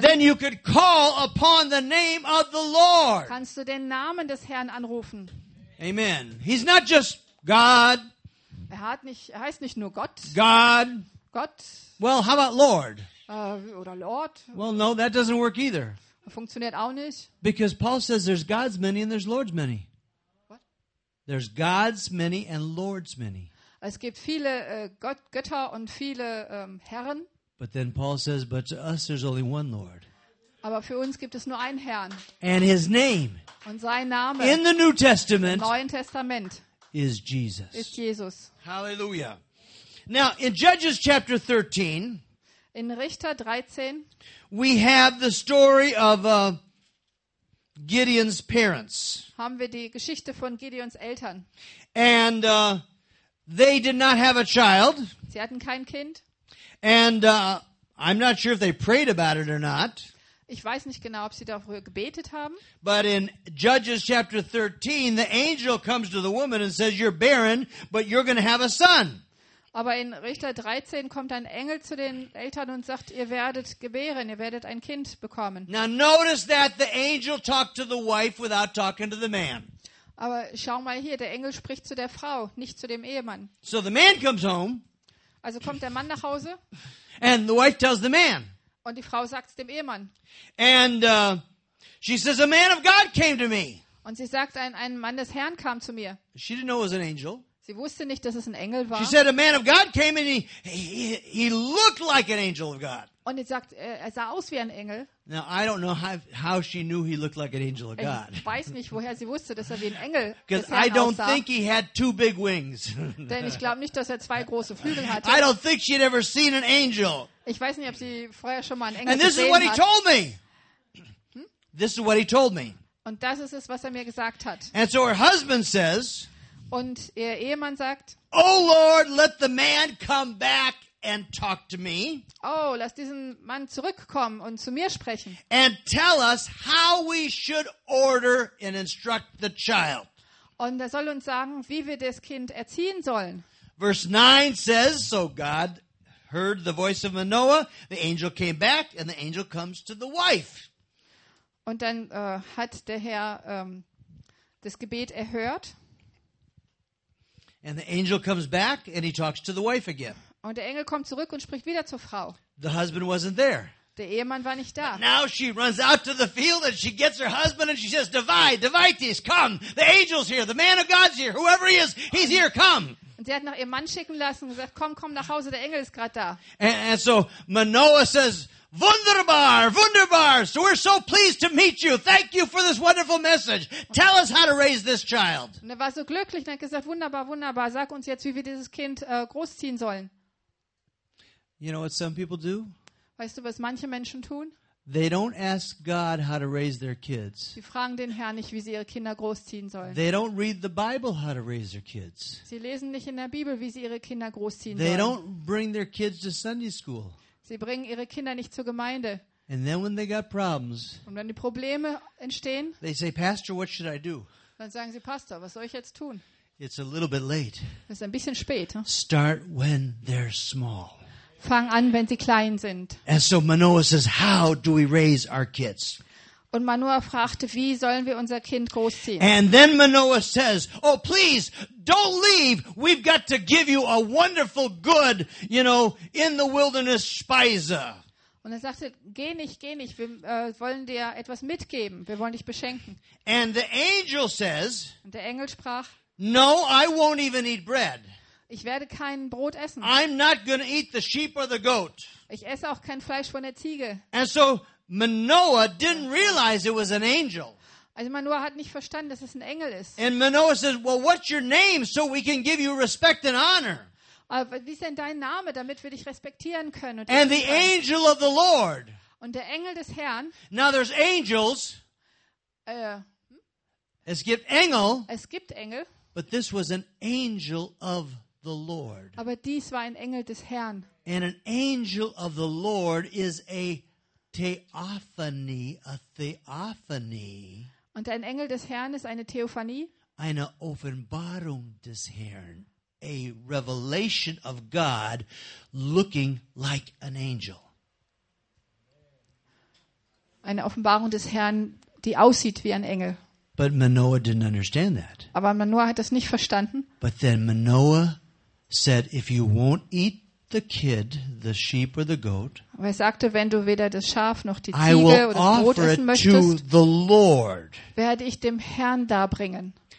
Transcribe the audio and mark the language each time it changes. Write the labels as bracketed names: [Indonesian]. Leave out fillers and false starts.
[English] then you could call upon the name of the Lord. [German] Kannst du den Namen des Herrn anrufen. [English] Amen. He's not just God. [German] Er heißt nicht nur Gott. [English] God. [German] Gott. [English] Well, how about Lord? [German] Oder Lord. [English] Well, no, that doesn't work either. [German] Funktioniert auch nicht. [English] Because Paul says there's God's many and there's Lord's many. What? There's God's many and Lord's many. [German] Es gibt viele Götter und viele Herren. [English] But then Paul says, but to us there's only one Lord. [German] Aber für uns gibt es nur einen Herrn. [English] And his name [German] und sein Name [English] in the New Testament, [German] im Neuen Testament [English] is Jesus. [German] Ist Jesus. [English] Hallelujah. Now in Judges chapter 13, [German] in Richter 13, [English] we have the story of Gideon's parents. [German] Haben wir die Geschichte von Gideons Eltern. [English] And they did not have a child. [German] Sie hatten kein Kind. [English] And I'm not sure if they prayed about it or not. [German] Ich weiß nicht genau, ob sie darüber gebetet haben. [English] But in Judges chapter 13, the angel comes to the woman and says, you're barren, but you're going to have a son. [German] Aber in Richter 13 kommt ein Engel zu den Eltern und sagt, ihr werdet gebären, ihr werdet ein Kind bekommen. [English] Now notice that the angel talked to the wife without talking to the man. [German] Aber schau mal hier, der Engel spricht zu der Frau, nicht zu dem Ehemann. [English] So the man comes home. [German] Also kommt der Mann nach Hause. [English] And the wife tells the man. [German] Und die Frau sagt es dem Ehemann. [English] And she says, a man of God came to me. [German] Und sie sagt, ein Mann des Herrn kam zu mir. [English] She didn't know it was an angel. [German] Sie wusste nicht, dass es ein Engel war. [English] She said, a man of God came and he looked like an angel of God. [German] Und sie sagt, er sah aus wie ein Engel. [English] Now I don't know how she knew he looked like an angel of God. [German] Ich weiß nicht, woher sie wusste, dass er wie ein Engel des Herrn aussah. [English] Because I don't think he had two big wings. [German] Denn ich glaube nicht, dass er zwei große Flügel hatte. [English] I don't think she'd ever seen an angel. [German] Ich weiß nicht, ob sie vorher schon mal einen Engel gesehen hat. [English] And this is what he told me. This is what he told me. [German] Und das ist es, was er mir gesagt hat. [English] And so her husband says. [German] Und ihr Ehemann sagt. [English] Oh Lord, let the man come back and talk to me. [German] Oh, lass diesen Mann zurückkommen und zu mir sprechen. [English] And tell us how we should order and instruct the child. [German] Und er soll uns sagen, wie wir das Kind erziehen sollen. [English] Verse 9 says, so God heard the voice of Manoah, the angel came back and the angel comes to the wife. [German] Und dann hat der Herr das Gebet erhört. [English] And the angel comes back and he talks to the wife again. [German] Und der Engel kommt zurück und spricht wieder zur Frau. [English] The husband wasn't there. [German] Der Ehemann war nicht da. [English] But now she runs out to the field and she gets her husband and she says, divide, divide these, come. The angel's here, the man of God's here, whoever he is, he's here, come. [German] Und sie hat nach ihrem Mann schicken lassen und gesagt, komm, komm nach Hause, der Engel ist gerade da. [English] And so Manoah says, [German] wunderbar, wunderbar, [English] so we're so pleased to meet you. Thank you for this wonderful message. Tell us how to raise this child. [German] Und er war so glücklich und hat gesagt, wunderbar, wunderbar, sag uns jetzt, wie wir dieses Kind großziehen sollen. [English] You know what some people do? [German] Weißt du, was manche Menschen tun? [English] They don't ask God how to raise their kids. [German] Sie fragen den Herrn nicht, wie sie ihre Kinder großziehen sollen. [English] They don't read the Bible how to raise their kids. [German] Sie lesen nicht in der Bibel, wie sie ihre Kinder großziehen sollen. [English] They don't bring their kids to Sunday school. [German] Sie bringen ihre Kinder nicht zur Gemeinde. [English] And then when they got problems, [German] und wenn die Probleme entstehen, [English] they say, Pastor, what should I do? [German] Dann sagen sie, Pastor, was soll ich jetzt tun? [English] It's a little bit late. [German] Es ist ein bisschen spät. Hm? [English] Start when they're small. [German] Fang an, wenn sie klein sind. [English] And so Manoah says, how do we raise our kids? [German] Und Manoah fragte, wie sollen wir unser Kind großziehen? [English] And then Manoah says, oh please, don't leave. We've got to give you a wonderful good, you know, in the wilderness speise. [German] Und er sagte, geh nicht, wir wollen dir etwas mitgeben. Wir wollen dich beschenken. [English] And the angel says, [German] und der Engel sprach, [English] no, I won't even eat bread. [German] Ich werde kein Brot essen. [English] I'm not going to eat the sheep or the goat. [German] Ich esse auch kein Fleisch von der Ziege. [English] And so Manoah didn't realize it was an angel. [German] Also Manoah hat nicht verstanden, dass es ein Engel ist. [English] And Manoah says, well, what's your name so we can give you respect and honor? [German] Aber wie ist denn dein Name, damit wir dich respektieren können? [English] And the angel of the Lord. [German] Und der Engel des Herrn. [English] Now there's angels. [German] Es gibt Engel. Es gibt Engel. [English] But this was an angel of the Lord. [German] Aber dies war ein Engel des Herrn. [English] And an angel of the Lord is a theophany, a theophany. [German] Und ein Engel des Herrn ist eine Theophanie. Eine Offenbarung des Herrn, [English] a revelation of God looking like an angel. [German] Eine Offenbarung des Herrn, die aussieht wie ein Engel. [English] But Manoah didn't understand that. [German] Aber Manoah hat das nicht verstanden. [English] But then Manoah said, if you won't eat the kid, the sheep or the goat, [German] er sagte, wenn du weder das Schaf noch die Ziege oder das Brot essen möchtest, [English] the Lord, [German] werde ich dem Herrn darbringen.